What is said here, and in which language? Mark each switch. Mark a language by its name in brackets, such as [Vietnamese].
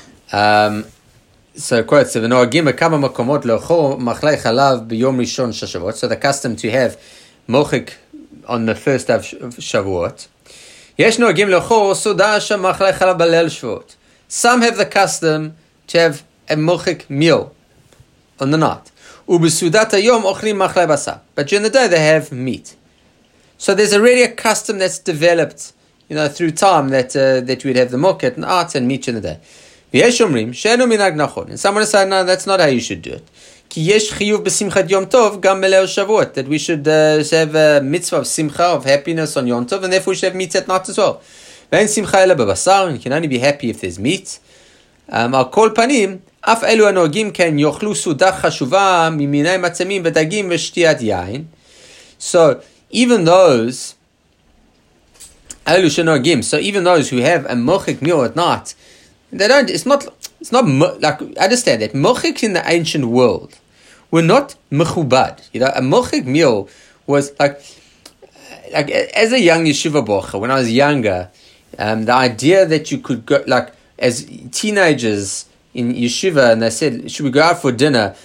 [English] So the custom to have mochik on the first day of Shavuot. Some have the custom to have a mochik meal on the night. [Hebrew] ובסעודת היום אוכלים מאכלי בשר. [English] But during the day, they have meat. So there's already a custom that's developed, you know, through time that that we'd have the mokhet and art and meat during the day. [Hebrew] ויש אומרים שאינו מנהג נכון. [English] And someone said, no, that's not how you should do it. [Hebrew] כי יש חיוב בשמחת יום טוב גם בליל שבועות. [English] That we should have a mitzvah of simcha, of happiness on יום טוב, and therefore we should have meat at night as well. [Hebrew] ואין שמחה אלא בבשר, [English] and can only be happy if there's meat. [Hebrew] על כל פנים, אף אלו הנוהגים כן יאכלו סעודה חשובה ממיני מצמים ודגים ושתיית יין. [English] So even those, [Hebrew] אלו שנוהגים, [English] so even those who have a mochik meal at night, they don't, it's not like, understand that mochiks in the ancient world were not mechubad. You know, a mochik meal was like as a young yeshiva bocha, when I was younger, the idea that you could go, like, as teenagers in yeshiva, and they said, should we go out for dinner?